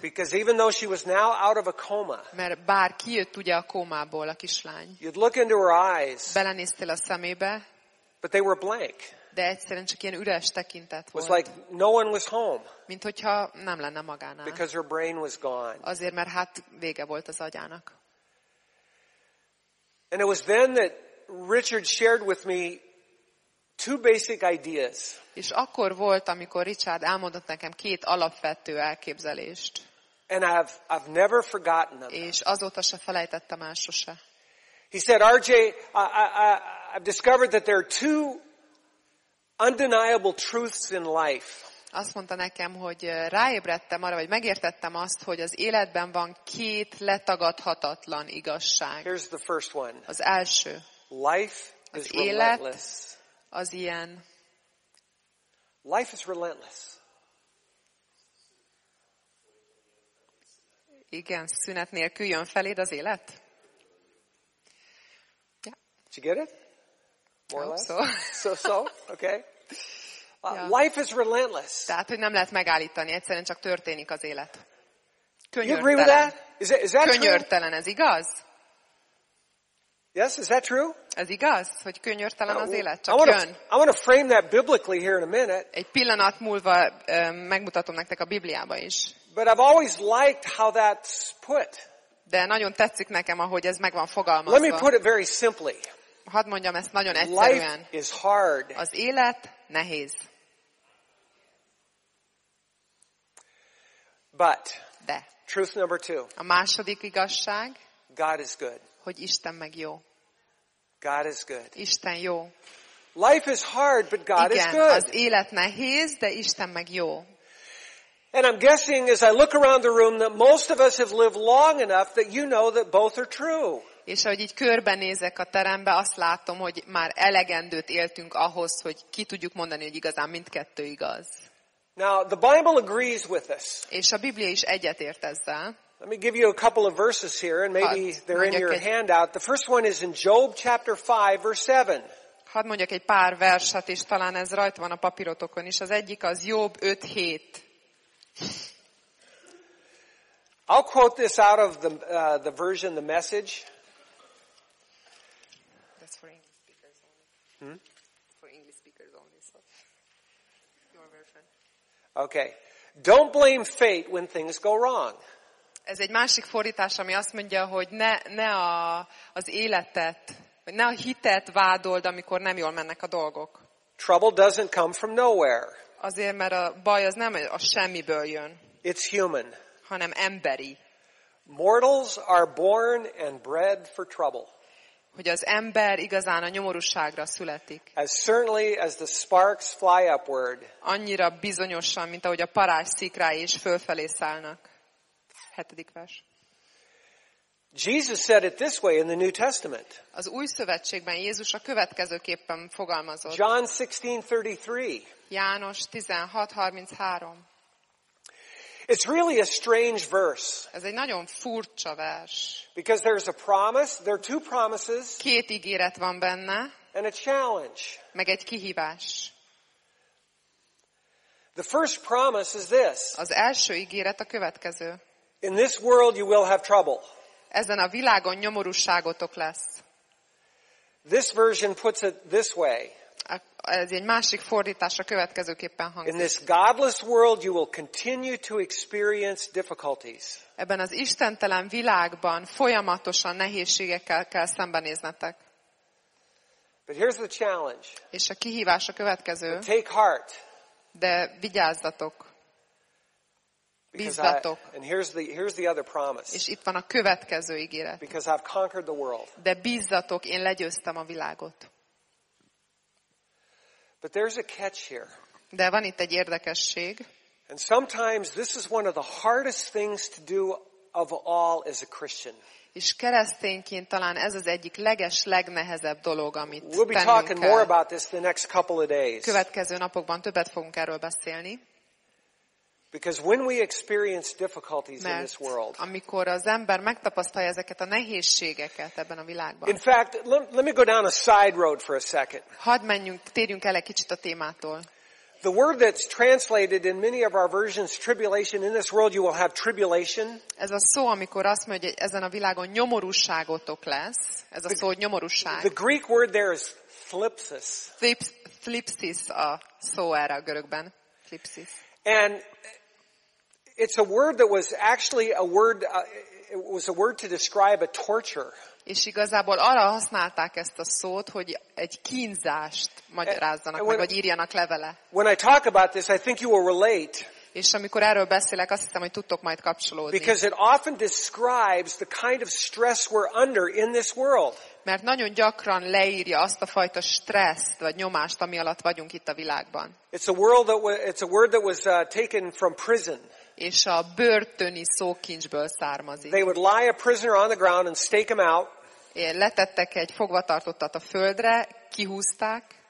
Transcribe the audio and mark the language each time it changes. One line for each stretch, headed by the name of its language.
English: Because even though she was now out of a coma.
Hungarian: Mert bár kijött ugye a kómából a kislány.
English: You'd look into her eyes.
Hungarian: Belenéztél a szemébe.
English: But they were blank.
Hungarian: De egyszerűen csak ilyen üres tekintet volt.
English: Was like no one was home.
Hungarian: Mint hogyha nem lenne magánál.
English: Because her brain was gone.
Hungarian: Azért, mert hát vége volt az agyának.
English: And it was then that Richard shared with me two basic ideas.
Hungarian: És akkor volt, amikor Richard elmondott nekem két alapvető elképzelést.
English: And I've never forgotten them.
Hungarian: És azóta se felejtettem el sose.
English: He said, RJ, I've discovered that there are two undeniable truths in life.
Hungarian: Azt mondta nekem, hogy ráébredtem arra, vagy megértettem azt, hogy az életben van két letagadhatatlan igazság.
English: Here's the first one.
Hungarian: Az első.
English: Life is relentless.
Hungarian: Az ilyen.
English: Life is relentless.
Hungarian: Igen, szünet nélkül jön feléd az élet.
English: Yeah. Did you get it? More or less? So. So, okay. Yeah. Life is relentless.
Hungarian: Tehát, hogy nem lehet megállítani, egyszerűen csak történik az élet.
English: You agree with that? Is that
Hungarian: könyörtelen,
English: true?
Hungarian: Ez igaz?
English: Yes, is that true?
Hungarian: Ez igaz, hogy könyörtelen az élet, csak jön.
English: I want to frame that biblically here in a minute.
Hungarian: Egy pillanat múlva megmutatom nektek a Bibliába is.
English: But I've always liked how that's put.
Hungarian: De nagyon tetszik nekem, ahogy ez meg van fogalmazva.
English: Let me put it very simply.
Hungarian: Hadd mondjam ezt nagyon egyszerűen.
English: Life is hard.
Hungarian: Az élet nehéz.
English: But.
Hungarian: De.
English: Truth number two.
Hungarian: A második igazság.
English: God is good.
Hungarian: Hogy Isten meg jó.
English: God is good.
Hungarian: Isten jó.
English: Life is hard, but God
Hungarian: Igen,
English: is good.
Hungarian: Az élet nehéz, de Isten meg jó.
English: And I'm guessing as I look around the room that most of us have lived long enough that you know that both are true.
Hungarian: És ahogy így körbenézek a terembe, azt látom, hogy már elegendőt éltünk ahhoz, hogy ki tudjuk mondani, hogy igazán mindkettő igaz.
English: Now, the Bible agrees with us.
Hungarian: És a Biblia is egyetért ezzel.
English: Let me give you a couple of verses here and maybe they're in your handout. The first one is in Job chapter 5 verse 7.
Hungarian: Hadd mondjak egy pár verset, és talán ez rajta van a papírotokon is. Az egyik az Job 5:7.
English: I'll quote this out of the version The Message. That's for English speakers only. For English speakers only, so your version. Okay. Don't blame fate when things go wrong.
Hungarian: Ez egy másik fordítás, ami azt mondja, hogy ne az életet, vagy ne a hitet vádold, amikor nem jól mennek a dolgok.
English: Trouble doesn't come from nowhere.
Hungarian: Azért, mert a baj az nem a semmiből jön.
English: It's human.
Hungarian: Hanem emberi.
English: Mortals are born and bred for trouble.
Hungarian: Hogy az ember igazán a nyomorúságra születik.
English: As certainly as the sparks fly upward.
Hungarian: Annyira bizonyosan, mint ahogy a parázs szikrá is fölfelé szállnak.
English: Jesus said it this way in the New Testament.
Hungarian: Az Új Szövetségben Jézus a következőképpen fogalmazott.
English: John 16:33.
Hungarian: János 16:33.
English: It's really a strange verse.
Hungarian: Ez egy nagyon furcsa vers.
English: Because there's a promise, there are two promises.
Hungarian: Két ígéret van benne.
English: And a challenge.
Hungarian: Meg egy kihívás.
English: The first promise is this.
Hungarian: Az első ígéret a következő.
English: In this world you will have trouble.
Hungarian: Ezen a világon nyomorúságotok lesz.
English: This version puts it this way.
Hungarian: Ez egy másik fordításra következőképpen hangzik.
English: In this godless world you will continue to experience difficulties.
Hungarian: Ebben az istentelen világban folyamatosan nehézségekkel kell szembenéznetek.
English: But here's the challenge.
Hungarian: És a kihívás a következő.
English: But take heart.
Hungarian: De vigyázzatok. Bízzatok.
English: And here's the other promise.
Hungarian: És itt van a következő ígéret.
English: Because I've conquered the world.
Hungarian: De bízzatok, én legyőztem a világot.
English: But there's a catch here.
Hungarian: De van itt egy érdekesség.
English: And sometimes this is one of the hardest things to do of all as a Christian.
Hungarian: És keresztényként talán ez az egyik legnehezebb dolog, amit tennünk kell.
English: We'll be talking more about this the next couple of days.
Hungarian: Következő napokban többet fogunk erről beszélni.
English: Because when we experience difficulties in this world.
Hungarian: Amikor az ember megtapasztalja ezeket a nehézségeket ebben a világban.
English: In fact, let me go down a side road for a second.
Hungarian: Hadd menjünk, térjünk el egy kicsit a témától.
English: The word that's translated in many of our versions, tribulation, in this world you will have tribulation.
Hungarian: Ez a szó, amikor azt mondja, hogy ezen a világon nyomorúságotok lesz. Ez a szó, hogy nyomorúság.
English: The Greek word there is thlipsis.
Hungarian: Thlipsis a szó erre a görögben. Thlipsis.
English: And it's a word that was actually a word, it was a word to describe a torture.
Hungarian: És igazából arra használták ezt a szót, hogy egy kínzást magyarázzanak meg, vagy írjanak levele.
English: When I talk about this, I think you will relate.
Hungarian: És amikor erről beszélek, azt hiszem, hogy tudtok majd kapcsolódni.
English: Because it often describes the kind of stress we're under in this world.
Hungarian: Mert nagyon gyakran leírja azt a fajta stresszt vagy nyomást, ami alatt vagyunk itt a világban.
English: It's a world that was, it's a word that was taken from prison.
Hungarian: És a börtöni szókincsből származik.
English: They would lie a prisoner on the ground and stake him out.
Hungarian: Letettek egy fogvatartottat a földre, kihúzták.